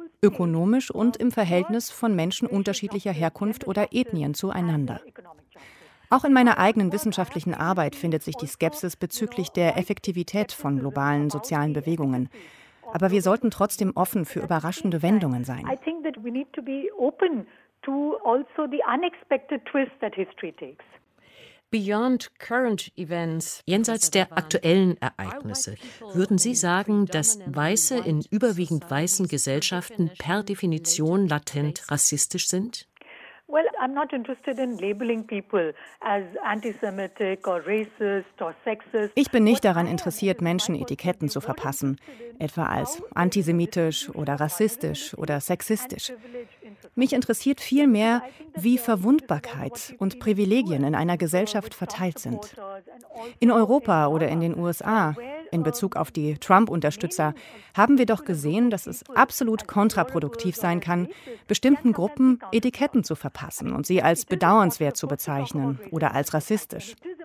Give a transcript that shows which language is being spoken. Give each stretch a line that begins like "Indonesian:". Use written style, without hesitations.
German: Ökonomisch und im Verhältnis von Menschen unterschiedlicher Herkunft oder Ethnien zueinander. Auch in meiner eigenen wissenschaftlichen Arbeit findet sich die Skepsis bezüglich der Effektivität von globalen sozialen Bewegungen. Aber wir sollten trotzdem offen für überraschende Wendungen sein.
English: I think that we need to be open to also the unexpected twist that history takes. Beyond current events,
German: jenseits der aktuellen Ereignisse, würden Sie sagen, dass Weiße in überwiegend weißen Gesellschaften per Definition latent rassistisch sind?
English: Well, I'm not interested in labeling people as antisemitic or racist or sexist.
German: Ich bin nicht daran interessiert, Menschen Etiketten zu verpassen, etwa als antisemitisch oder rassistisch oder sexistisch. Mich interessiert vielmehr, wie Verwundbarkeit und Privilegien in einer Gesellschaft verteilt sind. In Europa oder in den USA, in Bezug auf die Trump-Unterstützer, haben wir doch gesehen, dass es absolut kontraproduktiv sein kann, bestimmten Gruppen Etiketten zu verpassen und sie als bedauernswert zu bezeichnen oder als rassistisch.